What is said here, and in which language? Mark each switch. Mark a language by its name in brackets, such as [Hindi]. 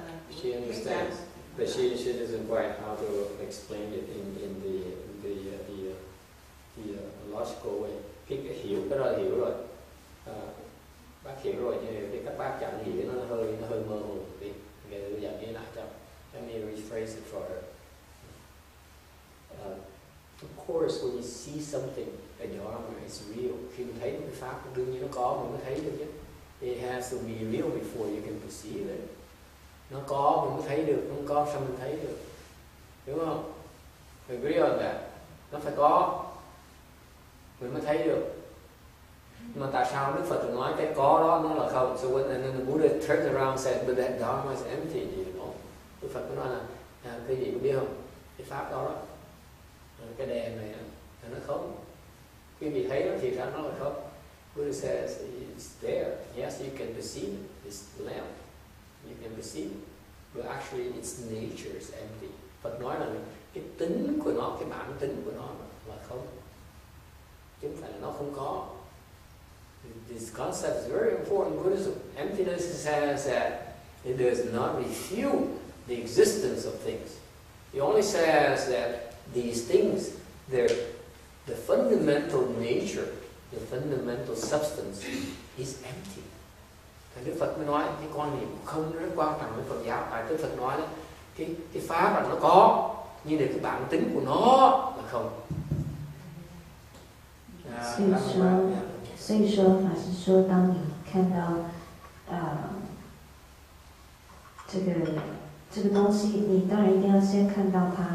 [English] She understands, but she doesn't quite how to explain it in the logical way. [Vietnamese] Khi hiểu cái đó hiểu rồi, bác hiểu rồi nhưng cái các bác chẳng hiểu nó hơi mơ hồ đi. Để tôi giải nghĩa lại cho. [English] Let me rephrase it for her. Of course, when you see something, a dharma is real. [Vietnamese] Khi mình thấy cái pháp, đương nhiên nó có, mình mới thấy được chứ. [English] It has to be real before you can perceive it. [Vietnamese] Nó có mình mới thấy được, không có sao mình thấy được. Đúng không? [English] Agree on that. [Vietnamese] Nó phải có. Mình mới thấy được. Nhưng mà tại sao Đức Phật nói cái có đó nó là không? [English] So when and then the Buddha turned around and said, but that dharma is empty, you know? [Vietnamese] Đức Phật nói là, cái gì cũng biết không? Cái pháp đó đó. Cái đèn này là nó không. Quý vị thấy nó thì ra nó là không. [English] Buddha says, it's there. Yes, you can perceive it. It's the lamp. You can perceive, but actually its nature is empty. [Vietnamese] Phật nói là cái tính của nó, cái bản tính của nó là không. Chứ phải là nó không có. [English] This concept is very important in Buddhism. Emptiness says that it does not refute the existence of things. It only says that these things, the fundamental nature, the fundamental substance is empty. [Vietnamese] Đức Phật mới nói cái quan niệm không rất quan trọng với Phật giáo. Tại Đức Phật nói đó, cái pháp là nó có nhưng là cái bản tính của nó là không. Vì vậy, Pháp Sư nói, khi bạn thấy cái đó, bạn đương nhiên phải trước khi thấy nó, cái pháp này là tồn tại, bạn mới biết có cái pháp này.